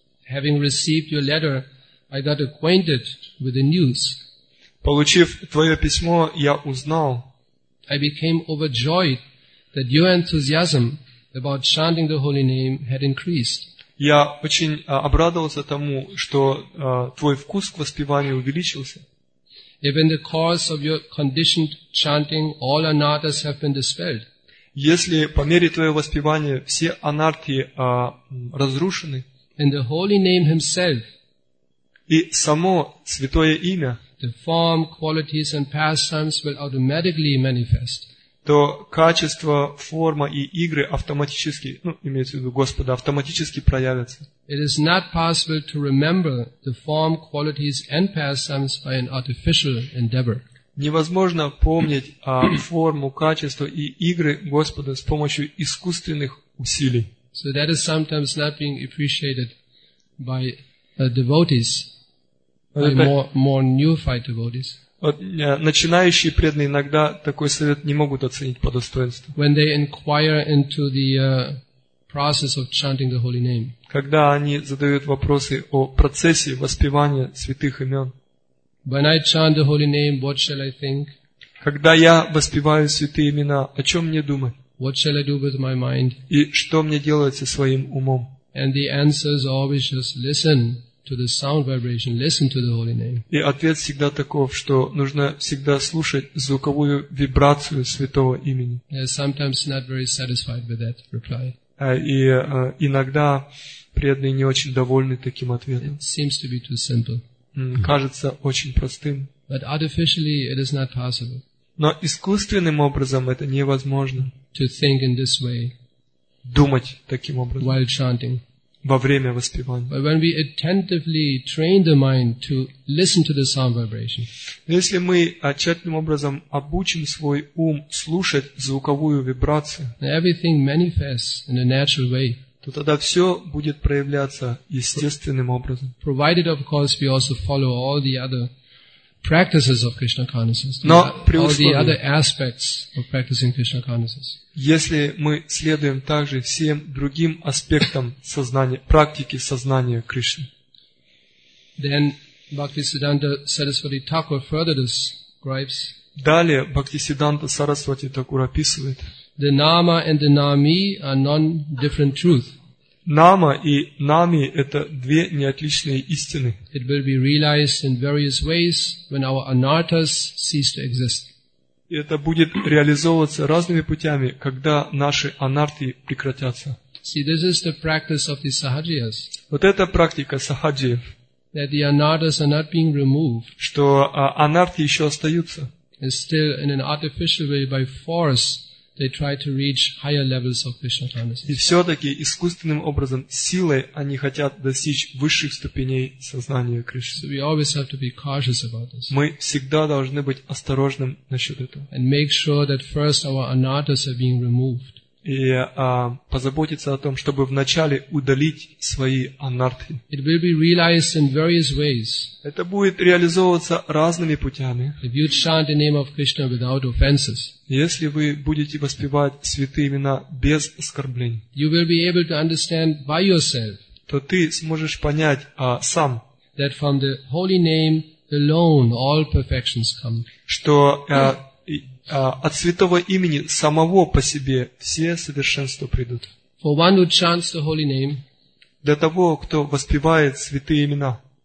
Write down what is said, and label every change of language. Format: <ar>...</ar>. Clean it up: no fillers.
<en>Having received your letter, I got acquainted with the news.</en> <ru>Получив твое письмо, я узнал.</ru> <en>I became overjoyed that your enthusiasm about chanting the holy name had increased.</en> <ru>Я очень обрадовался тому, что твой вкус к воспеванию увеличился.</ru> <en>If in the course of your conditioned chanting all anarthas have been dispelled.</en> <ru>Если по мере твоего воспевания все анарты разрушены,</ru> <en>and the holy name himself,</en> <ru>и само святое имя,</ru> <en>the form, qualities and pastimes will automatically manifest.</en> <ru>То качество, форма и игры автоматически, ну, имеется в виду Господа, автоматически проявятся.</ru> <en>It is not possible to remember the form, qualities and pastimes by an artificial endeavor.</en> <ru>Невозможно помнить о форму, качество и игры Господа с помощью искусственных усилий.</ru> <en>So that is sometimes not being appreciated by devotees, by more newfied devotees.</en> <ru>Вот начинающие преданные иногда такой совет не могут оценить по достоинству.</ru> <en>When they inquire into the process of chanting the holy name.</en> <ru>Когда они задают вопросы о процессе воспевания святых имен.</ru> <en>When I chant the holy name, what shall I think?</en> <ru>Когда я воспеваю святые имена, о чем мне думать?</ru> <en>What shall I do with my mind?</en> <ru>И что мне делать со своим умом?</ru> <en>And the answer is always just listen. To the sound vibration, listen to the holy name.</en> <ru>И ответ всегда таков, что нужно всегда слушать звуковую вибрацию святого имени.</ru> <en>Sometimes not very satisfied with that reply.</en> <ru>И иногда преданные не очень довольны таким ответом.</ru> <en>It seems to be too simple.</en> <ru>Кажется очень простым.</ru> <en>But artificially it is not possible.</en> <ru>Но искусственным образом это невозможно.</ru> <en>To think in this way.</en> <ru>Думать таким образом.</ru> <en>While chanting.</en> <ru>Во время воспевания.</ru> <en>But when we attentively train the mind to listen to the sound vibration.</en> <ru>Если мы тщательным образом обучим свой ум слушать звуковую вибрацию,</ru> <en>everything manifests in a natural way.</en> <ru>То тогда все будет проявляться естественным образом.</ru> <en>Provided, of course, we also follow all the other practices of Krishna consciousness.</en> <ru>Но</ru> <en>all the other aspects of practicing Krishna consciousness.</en> <ru>Если мы следуем также всем другим аспектам сознания, практики сознания Кришны.</ru> <en>Then Bhaktisiddhanta Saraswati Thakur further describes.</en> <ru>Далее Бхактисиддханта Сарасвати Такур описывает.</ru> <en>The nama and the nami are non-different truth.</en> <ru>Нама и нами это две неотличные истины.</ru> <en>It will be realized in various ways when our anarthas cease to exist.</en> <ru>И это будет реализовываться разными путями, когда наши анарты прекратятся.</ru> <en>See, this is the practice of the sahajiyas.</en> <ru>Вот это практика сахаджиев.</ru> <en>That the anarthas are not being removed.</en> <ru>Что анарты еще остаются.</ru> <en>And still in an artificial way by force they try to reach higher levels of Krishna consciousness.</en> <ru>И все-таки искусственным образом, силой они хотят достичь высших ступеней сознания Кришны.</ru> <en>So we always have to be cautious about this.</en> <ru>Мы всегда должны быть осторожным насчет этого.</ru> <en>And make sure that first our anarthas are being removed.</en> <ru>И позаботиться о том, чтобы вначале удалить свои анарты.</ru> <en>It will be realized in various ways.</en> <ru>Это будет реализовываться разными путями.</ru> <en>If you chant the name of Krishna without offenses,</en> <ru>если вы будете воспевать святые имена без оскорблений,</ru> <en>you will be able to understand by yourself,</en> <ru>то ты сможешь понять сам,</ru> <en>that from the holy name alone all perfections come.</en> <ru>Что от святого имени самого по себе все совершенства придут.</ru> <en>For one who chants the holy name,</en> <ru>для того, кто воспевает святые имена,</ru>